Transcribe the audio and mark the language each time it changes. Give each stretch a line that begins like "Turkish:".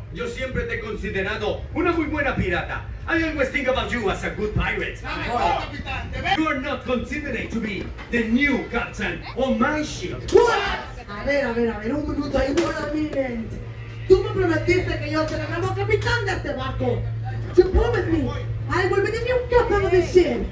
Spanish: Yo siempre te he considerado una muy buena pirata.
English: I always think about you as a good pirate. You are not considered to be the new captain on my ship. What?
Spanish: A ver, un minuto ahí,
English: one minute.
Spanish: Tú me prometiste que yo seré el nuevo capitán de este barco.
English: You promised me I will be the new captain of this ship.